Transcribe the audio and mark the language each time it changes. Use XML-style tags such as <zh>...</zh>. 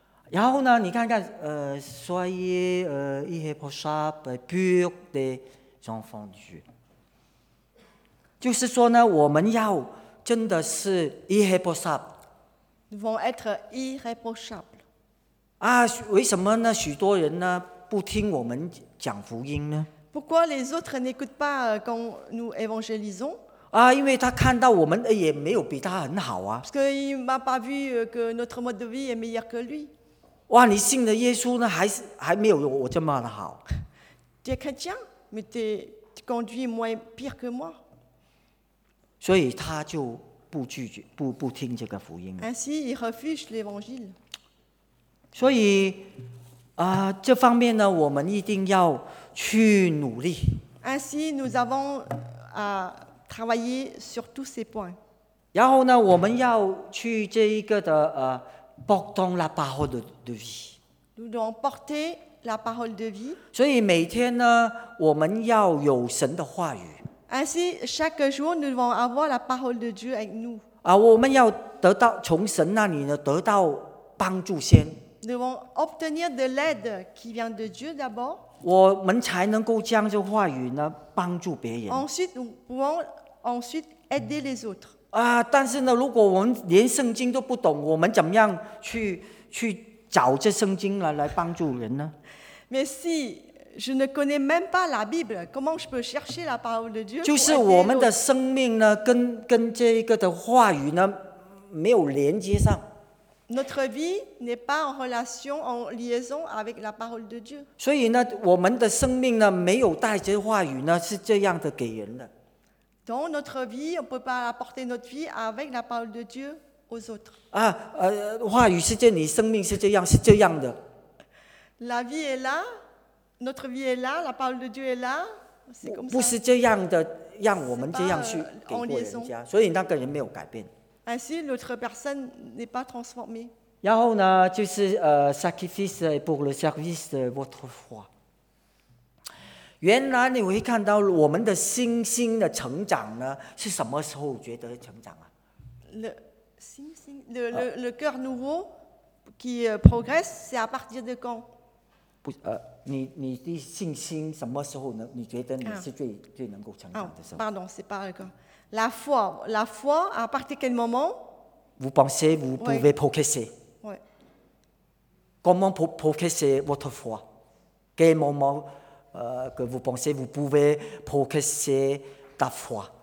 <zh>然后呢，你看看，</zh> <fr>soyez irréprochables, purs des enfants de Dieu.</fr> <zh>就是说呢，我们要真的是 irréprochables.</zh> <fr>Nous devons être irréprochables.</fr> <zh>啊，为什么呢？许多人呢不听我们讲福音呢</zh> <fr>？Pourquoi les autres n'écoutent pas quand nous évangélisons？</fr> <zh>啊，因为他看到我们也没有比他很好啊。</zh> <fr>Parce qu'il m'a pas vu que notre mode de vie est meilleur que lui.</fr> <zh>哇，你信了耶稣呢，还没有我这么的好。</zh> <fr>Tu es chrétien, mais tu conduis moins pire que moi.</fr> <zh>所以他就不拒绝，不听这个福音。</zh> <fr>Ainsi, il refuse l'évangile.</fr> <zh>所以啊，这方面呢，我们一定要去努力。</zh> <fr>Ainsi, nous avons à travailler sur tous ces points.</fr> <zh>然后呢，我们要去这一个的</zh> <fr>portant la parole de vie. Nous devons porter la parole de vie.</fr> <zh>所以每天呢，我们要有神的话语。</zh> <fr>Ainsi, chaque jour, nous devons avoir la parole de Dieu avec nous.</fr> <zh>啊，我们要得到从神那里呢得到帮助先。</zh> <fr>Nous devons obtenir de l'aide qui vient de Dieu d'abord.</fr> <zh>我们才能够将这话语呢帮助别人。</zh> <fr>Ensuite, nous pouvons ensuite aider les autres.</fr> <zh>啊，但是呢，如果我们连圣经都不懂，我们怎么样去找这圣经来帮助人呢</zh> <fr>？Mais si je ne connais même pas la Bible, comment je peux chercher la parole de Dieu？</fr> <zh>就是我们的生命呢，跟这个的话语呢没有连接上。</zh> <fr>Notre vie n'est pas en relation, en liaison avec la parole de Dieu.</fr> <zh>所以呢，我们的生命呢，没有带着话语呢，是这样的给人的。</zh> <fr>Donc notre vie, on peut pas apporter notre vie avec la parole de Dieu aux autres.</fr> <zh>啊，话语是这里，生命是这样，是这样的。</zh> <fr>La vie est là, notre vie est là, la parole de Dieu est là. C'est comme ça.</fr> <zh>不是这样的，让我们这样去给过人家，所以那个人没有改变。</zh> <fr>Ainsi, notre personne n'est pas transformée.</fr> <zh>然后呢，就是</zh> <fr>sacrifice pour le service de votre foi.</fr> <zh>原来你会看到我们的信心的成长呢，是什么时候觉得成长啊</zh> <fr>？Le 信心 ，le cœur nouveau qui progresse, c'est à partir de quand？</fr> <zh>不，你的信心什么时候能？你觉得你是最能够成长的时候</zh> <fr>？Pardon, c'est pas le cœur. La foi, à partir de quel moment? Vous pensez, vous pouvez progresser. Oui. Comment progresser votre foi? Quel moment que vous pensez, vous pouvez progresser ta foi?</fr>